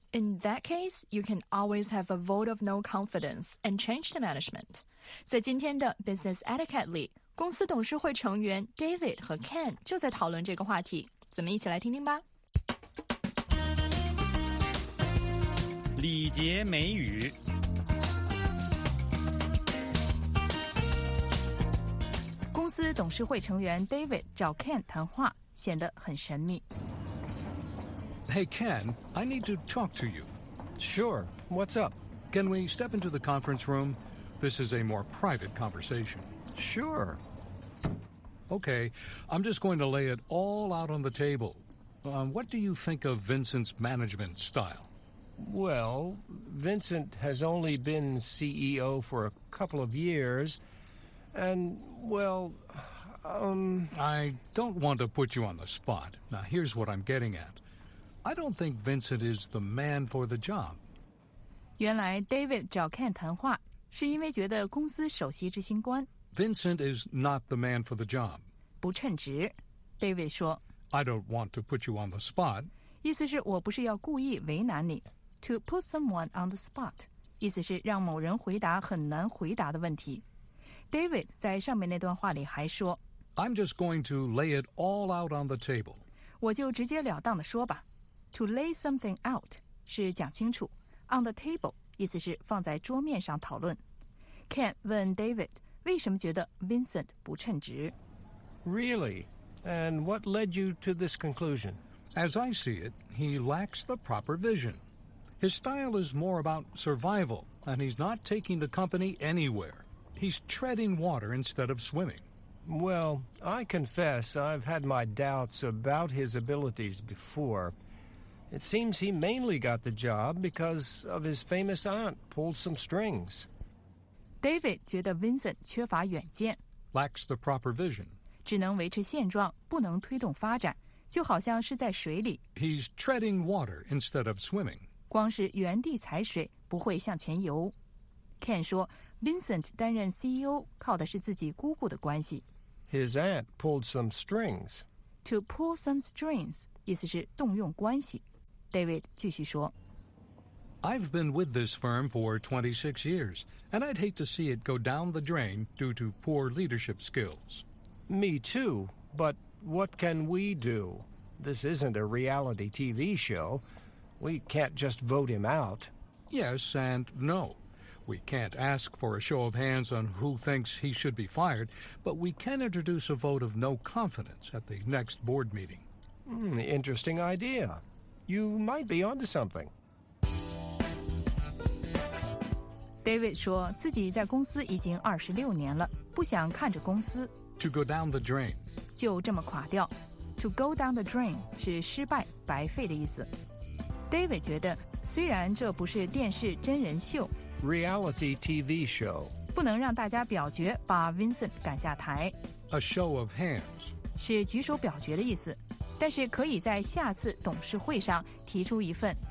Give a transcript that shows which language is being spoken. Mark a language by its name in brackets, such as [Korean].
[English] In that case, you can always have a vote of no confidence and change the management. [Chinese] 在今天的 Business Etiquette 里，公司董事会成员 David 和 Ken 就在讨论这个话题，咱们一起来听听吧。礼节美语。公司董事会成员 David 找 Ken 谈话，显得很神秘。 [English] Hey Ken, I need to talk to you. Sure, what's up? Can we step into the conference room? This is a more private conversation. Sure. Okay, I'm just going to lay it all out on the table. What do you think of Vincent's management style? Well, Vincent has only been CEO for a couple of years. And, well, I don't want to put you on the spot. Now, here's what I'm getting at. I don't think Vincent is the man for the job. [Chinese] 原来 David 找 Ken 谈话。是因为觉得公司首席执行官 [English] Vincent is not the man for the job. [Chinese] 不称职 David 说 [English] I don't want to put you on the spot. [Chinese] 意思是我不是要故意为难你 [English] To put someone on the spot. [Chinese] 意思是让某人回答很难回答的问题 David 在上面那段话里还说 [English] I'm just going to lay it all out on the table. [Chinese] 我就直截了当地说吧 [English] To lay something out [Chinese] 是讲清楚 [English] On the table [Chinese] 意思是放在桌面上讨论。 Ken 问 David 为什么觉得 Vincent 不称职。 [English] Really? And what led you to this conclusion? As I see it, he lacks the proper vision. His style is more about survival, and he's not taking the company anywhere. He's treading water instead of swimming. Well, I confess I've had my doubts about his abilities before. It seems he mainly got the job because of his famous aunt pulled some strings. [Chinese] David 觉得 Vincent 缺乏远见 [English] lacks the proper vision. [Chinese] 只能维持现状，不能推动发展，就好像是在水里。 [English] He's treading water instead of swimming. [Chinese] 光是原地踩水，不会向前游。Ken 说 ，Vincent 担任 CEO 靠的是自己姑姑的关系。 [English] His aunt pulled some strings. To pull some strings [Chinese] 意思是动用关系。 David 继续说 [English] I've been with this firm for 26 years, and I'd hate to see it go down the drain due to poor leadership skills. Me too, but what can we do? This isn't a reality TV show. We can't just vote him out. Yes and no. We can't ask for a show of hands on who thinks he should be fired, but we can introduce a vote of no confidence at the next board meeting. Interesting idea. You might be onto something. [Chinese] David 说自己在公司已经26年了，不想看着公司。 [English] To go down the drain. [Chinese] 就这么垮掉。 [English] To go down the drain [Chinese] 是失败、白费的意思。 David 觉得虽然这不是电视真人秀 [English] Reality TV show [Chinese] 不能让大家表决把 Vincent 赶下台 [English] A show of hands [Chinese] 是举手表决的意思但是可以在下次董事会上提出一份